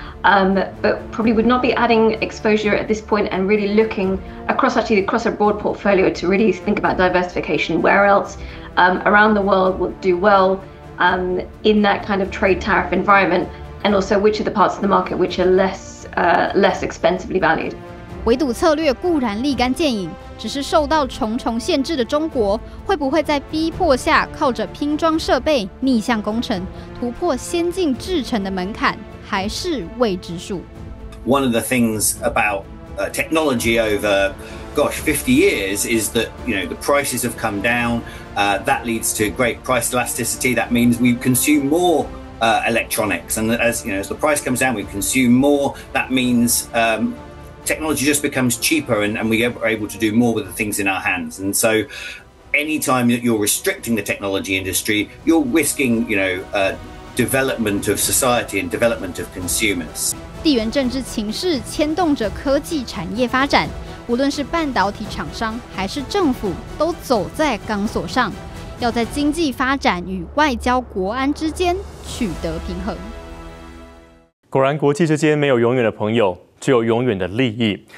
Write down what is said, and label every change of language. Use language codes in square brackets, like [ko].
[en] But probably would not be adding exposure at this point and really looking across a broad portfolio to really think about diversification. Where else around the world would do well in that kind of trade tariff environment? And also which are the parts of the market which are less expensively valued? [zh] 围堵策略固然立竿见影，只是受到重重限制的中国会不会在逼迫下靠着拼装设备逆向工程突破先进制程的门槛？还是未知数。 [en] One of the things about technology over, 50 years is that you know the prices have come down. That leads to great price elasticity. That means we consume more electronics, and as you know, as the price comes down, we consume more. That means technology just becomes cheaper, and we are able to do more with the things in our hands. And so. Anytime that you're restricting the technology industry, you're risking, you know, development of society and development of consumers. [zh] 地缘政治情势牵动着科技产业发展，无论是半导体厂商还是政府，都走在钢索上，要在经济发展与外交国安之间取得平衡。果然，国际之间没有永远的朋友，只有永远的利益。